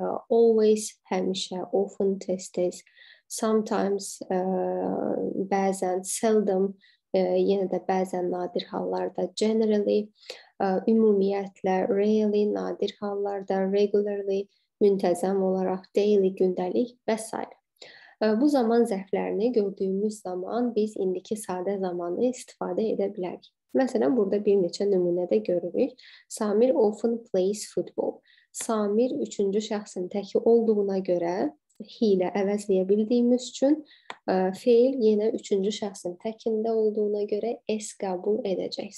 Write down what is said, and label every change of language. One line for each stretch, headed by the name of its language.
Azerbaijani: Always, həmişə, often, tez-tez, sometimes, bəzən, seldom, yenə də bəzən nadir hallarda, generally, ümumiyyətlə, rarely, nadir hallarda, regularly, müntəzəm olaraq, daily, gündəlik və s. Bu zaman zərflərini gördüyümüz zaman biz indiki sadə zamanı istifadə edə bilərik. Məsələn, burada bir neçə nümunə də görürük.
English: Samir often plays football.
Azerbaijani: Samir üçüncü şəxsin təki olduğuna görə he ilə əvəzləyə bildiyimiz üçün feil yenə üçüncü şəxsin təkində olduğuna görə s qəbul edəcək.